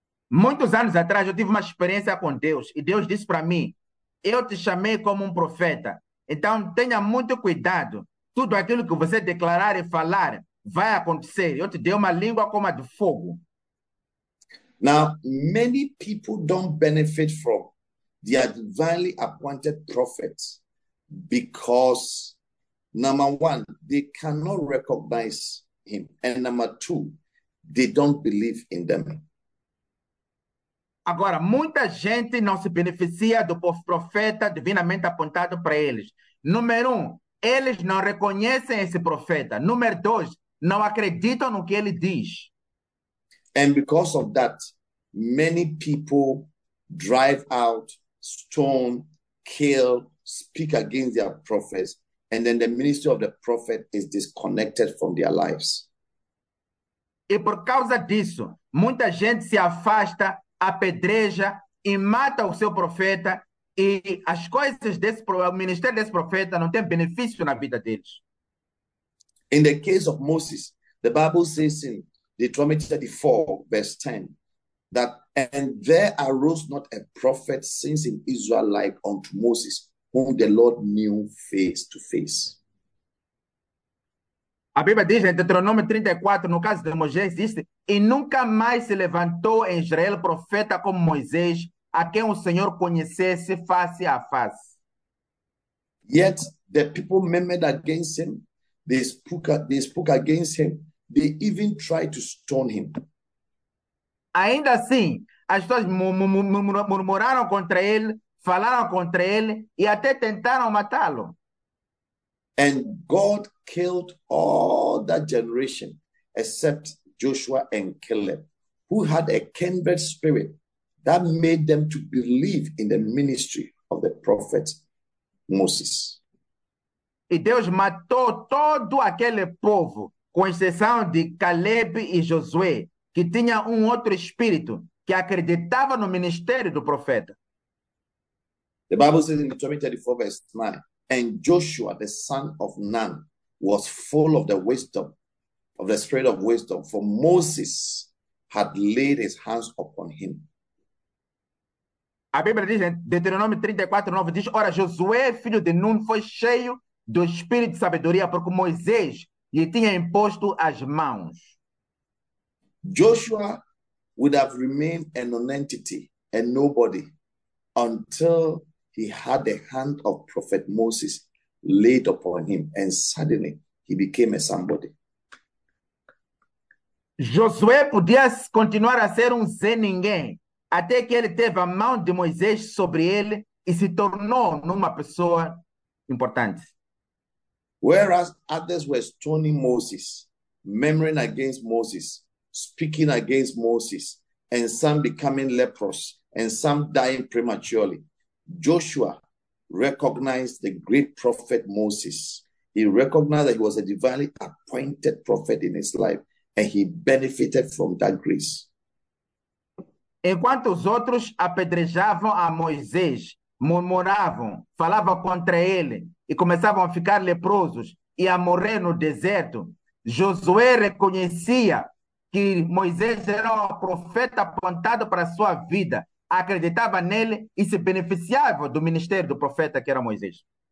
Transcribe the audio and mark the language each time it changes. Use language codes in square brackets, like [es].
[pt] Muitos anos atrás eu tive uma experiência com Deus e Deus disse para mim: Eu te chamei como um profeta, então tenha muito cuidado. Tudo aquilo que você declarar e falar vai acontecer. Eu te dei uma língua como a de fogo. [en] Now, many people don't benefit from the divinely appointed prophets because, number one, they cannot recognize him. And number two, they don't believe in them. [pt] Agora, muita gente não se beneficia do profeta divinamente apontado para eles. Número um, eles não reconhecem esse profeta. Número dois, não acreditam no que ele diz. [en] And because of that, many people drive out, stone, kill, speak against their prophets. And then the ministry of the prophet is disconnected from their lives. [pt] E por causa disso, muita gente se afasta. Apedreja e mata o seu profeta, e as coisas desse o ministério desse profeta não tem benefício na vida deles. [en] In the case of Moses, the Bible says in Deuteronomy 34, verse 10, that, and there arose not a prophet since in Israel like unto Moses, whom the Lord knew face to face. [pt] A Bíblia diz em Deuteronômio 34, no caso de Moisés, diz: E nunca mais se levantou em Israel profeta como Moisés, a quem o Senhor conhecesse face a face. [en] Yet the people murmured against him. They spoke against him. They even tried to stone him. [pt] Ainda assim, as pessoas murmuraram contra ele, falaram contra ele e até tentaram matá-lo. [en] And God killed all that generation except Joshua and Caleb, who had a kindred spirit that made them to believe in the ministry of the prophet Moses. [pt] E Deus matou todo aquele povo, com exceção de Caleb e Josué, que tinha um outro espírito, que acreditava no ministério do profeta. [en] The Bible says in Deuteronomy 34, verse 9. And Joshua, the son of Nun, was full of the wisdom, of the spirit of wisdom, for Moses had laid his hands upon him. [pt] A Bíblia diz em Deuteronômio 34, 9, diz: Ora, Josué, filho de Nun, foi cheio do espírito de sabedoria, porque Moisés lhe tinha imposto as mãos. [en] Joshua would have remained a nonentity, a nobody, until he had the hand of Prophet Moses laid upon him, and suddenly he became a somebody. [pt] Josué podia continuar a ser um Zé ninguém, até que ele teve a mão de Moisés sobre ele e se tornou numa pessoa importante. [en] Whereas others were stoning Moses, murmuring against Moses, speaking against Moses, and some becoming leprous, and some dying prematurely, Joshua recognized the great prophet Moses. He recognized that he was a divinely appointed prophet in his life, and he benefited from that grace. [pt] Enquanto os outros apedrejavam a Moisés, murmuravam, falavam contra ele e começavam a ficar leprosos e a morrer no deserto, Josué reconhecia que Moisés era um profeta apontado para a sua vida, acreditava nele e se beneficiava do ministério do profeta que era Moisés.